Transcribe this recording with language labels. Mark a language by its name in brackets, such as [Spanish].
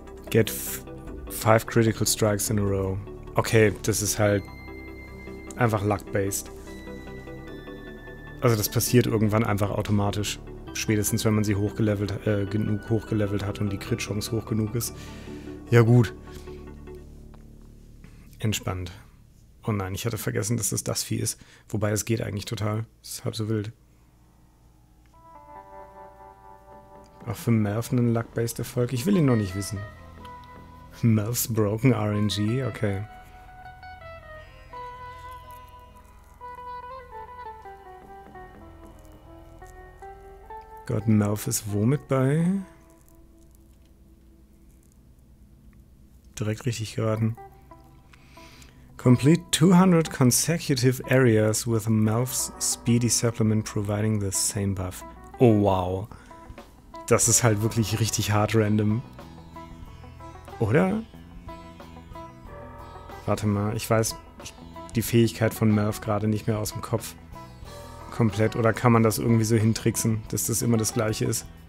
[English] Get 5 critical strikes in a row. [German] Okay, das ist halt einfach luck-based. Also das passiert irgendwann einfach automatisch. Spätestens, wenn man sie genug hochgelevelt hat und die Crit-Chance hoch genug ist. Ja gut. Entspannt. Oh nein, ich hatte vergessen, dass es das Vieh ist. Wobei, es geht eigentlich total. Es ist halb so wild. Auch für Merv einen Luck-based Erfolg? Ich will ihn noch nicht wissen. [English] Merv's Broken RNG? Okay. [German] Gott, Merv ist womit bei? Direkt richtig geraten. [English] Complete 200 consecutive areas with Melf's Speedy Supplement providing the same buff. Oh wow. [German] Das ist halt wirklich richtig hart random. Oder? Warte mal, ich weiß die Fähigkeit von Melf gerade nicht mehr aus dem Kopf. Komplett. Oder kann man das irgendwie so hintricksen, dass das immer das gleiche ist?